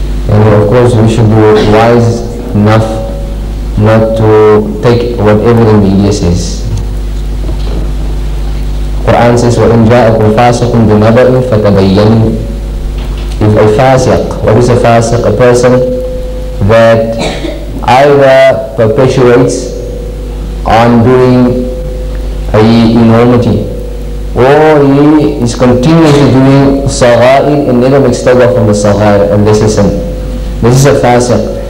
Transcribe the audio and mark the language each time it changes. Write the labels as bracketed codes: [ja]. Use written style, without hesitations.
[en] And of course, we should be wise enough not to take whatever the media says. Quran says, [ar] وَإِنْ جَاءَكُمْ فَاسِقٌ بِنَبَأٍ فَتَبَيَّنُوا. [en] If a fasiq, what is a fasiq? A person that either perpetuates on doing a enormity, or he is continuously doing sagair and never makes tawbah from the sagair, and this is him. This is a fasiq.